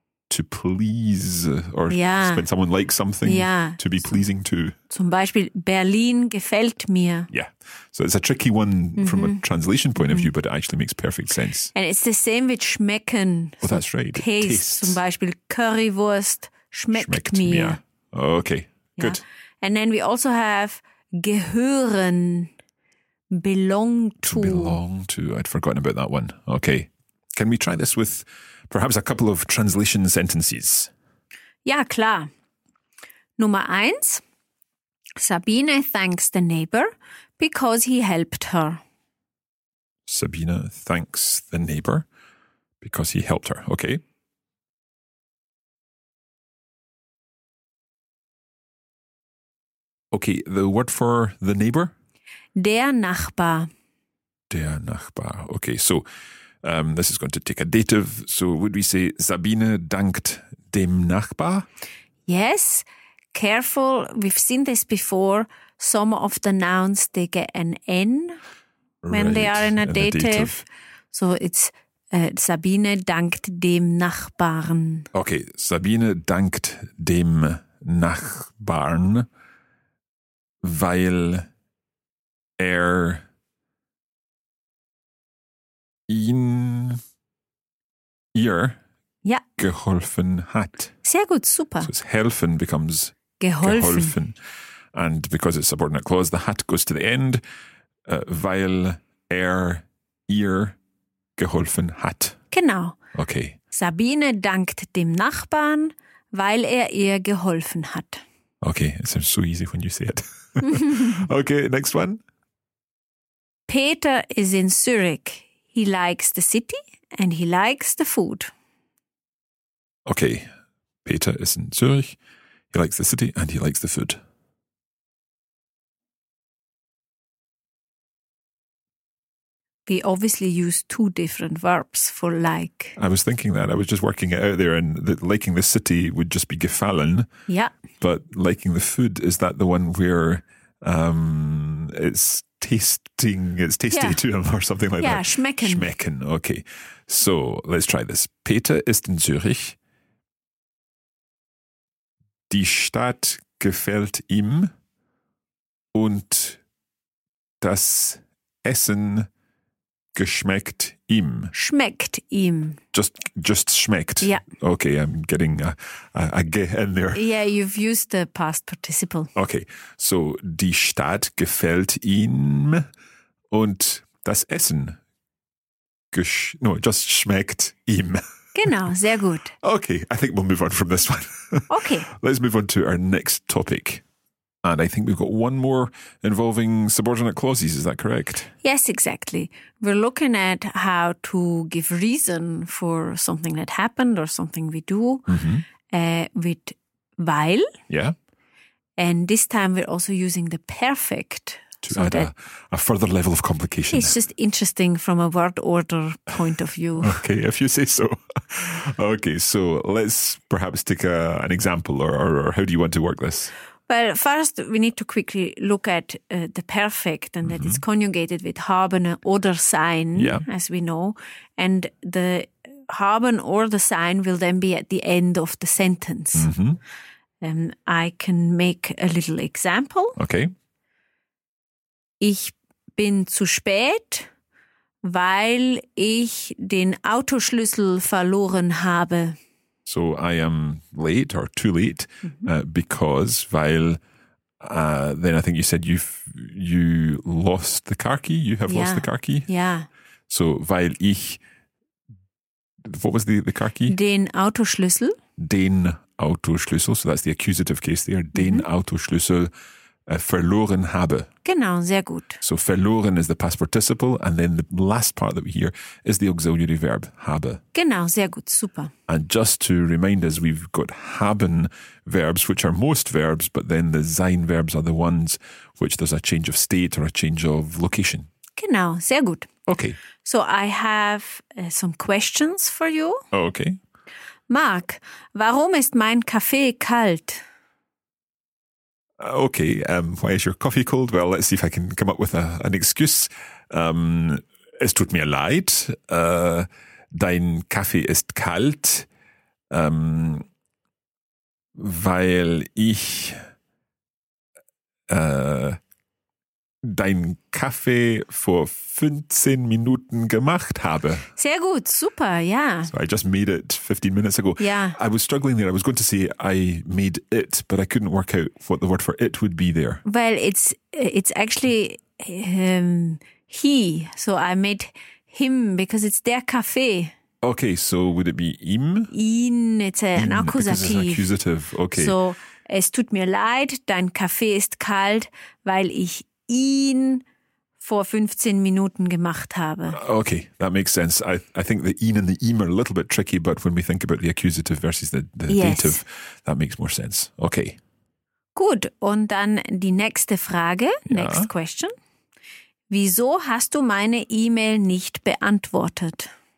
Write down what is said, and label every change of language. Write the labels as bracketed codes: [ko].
[en] To please, or when someone likes something, to be pleasing to. [de] Zum Beispiel, Berlin gefällt mir. [en] Yeah, so it's a tricky one from a translation point of view, but it actually makes perfect sense. And it's the same with schmecken. Oh, that's right. Taste. [de] Zum Beispiel, Currywurst schmeckt mir. [en] Okay, good. And then we also have gehören, belong to. Belong to. I'd forgotten about that one. Okay. Can we try this with perhaps a couple of translation sentences? [de] Ja, klar. Nummer eins. [en] Sabine thanks the neighbor because he helped her. Sabine thanks the neighbor because he helped her. Okay. Okay, the word for the neighbor? [de] Der Nachbar. Der Nachbar. [en] Okay, so this is going to take a dative. So would we say Sabine [de] dankt dem Nachbar? [en] Yes. Careful. We've seen this before. Some of the nouns, they get an N when they are in a dative. So it's [de] Sabine dankt dem Nachbarn. Okay, Sabine dankt dem Nachbarn. Weil ihr geholfen hat. Sehr gut, super. [en] So it's helfen becomes geholfen. And because it's a subordinate clause, the hat goes to the end. [de] Weil ihr geholfen hat. Genau. [en] Okay. [de] Sabine dankt dem Nachbarn, weil ihr geholfen hat. [en] Okay, it sounds so easy when you say it. Okay, next one. Peter is in Zurich. He likes the city and he likes the food. Okay, Peter is in Zurich. He likes the city and he likes the food. We obviously use two different verbs for like. I was thinking that. I was just working it out there and that liking the city would just be gefallen. Yeah. But liking the food, is that the one where it's tasty to him or something like that? Yeah, schmecken. Schmecken, okay. So let's try this. [de] Peter ist in Zürich. Die Stadt gefällt ihm und das Essen geschmeckt ihm. Schmeckt ihm. [en] Just schmeckt. Yeah. Okay, I'm getting a ge in there. Yeah, you've used the past participle. [de] Okay, so die Stadt gefällt ihm und das Essen just schmeckt ihm. Genau, sehr gut. [en] Okay, I think we'll move on from this one. Okay. Let's move on to our next topic. And I think we've got one more involving subordinate clauses. Is that correct? Yes, exactly. We're looking at how to give reason for something that happened or something we do with weil. Yeah. And this time we're also using the perfect. To so add a further level of complication. It's just interesting from a word order point of view. Okay, if you say so. Okay, so let's perhaps take an example or how do you want to work this? Well, first we need to quickly look at the perfect and that it's conjugated with [de] haben oder sein, [en] as we know. And the haben or the sein will then be at the end of the sentence. I can make a little example. Okay. [de] Ich bin zu spät, weil ich den Autoschlüssel verloren habe. [en] So I am late or too late because, then I think you said you lost the car key. You have lost the car key. Yeah. So [de] weil ich [en] what was the car key? [de] Den Autoschlüssel. Den Autoschlüssel. [en] So that's the accusative case there. [de] Den Autoschlüssel verloren habe. Genau, sehr gut. [en] So verloren is the past participle. And then the last part that we hear is the auxiliary verb habe. [de] Genau, sehr gut, super. [en] And just to remind us, we've got haben verbs, which are most verbs, but then the sein verbs are the ones which there's a change of state or a change of location. [de] Genau, sehr gut. [en] Okay. So I have some questions for you. Oh, okay. [de] Mark, warum ist mein Kaffee kalt? [en] Okay, why is your coffee cold? Well, let's see if I can come up with an excuse. [de] Es tut mir leid. Dein Kaffee ist kalt, weil ich dein Kaffee vor 15 Minuten gemacht habe. Sehr gut, super, ja. [en] So I just made it 15 minutes ago. [de] Ja. [en] I was struggling there. I was going to say I made it, but I couldn't work out what the word for it would be there. Well, it's actually he. So I made him because it's der Kaffee. Okay, so would it be ihm? Ihn, it's an accusative. Because it's accusative, okay. [de] So es tut mir leid, dein Kaffee ist kalt, weil ich ihn vor 15 Minuten gemacht habe. [en] Okay, that makes sense. I think the ihn and the ihm are a little bit tricky, but when we think about the accusative versus the yes. dative, that makes more sense. Okay. [de] Gut, und dann die nächste Frage, ja. [en] Next question. [de] Wieso hast du meine E-Mail nicht beantwortet?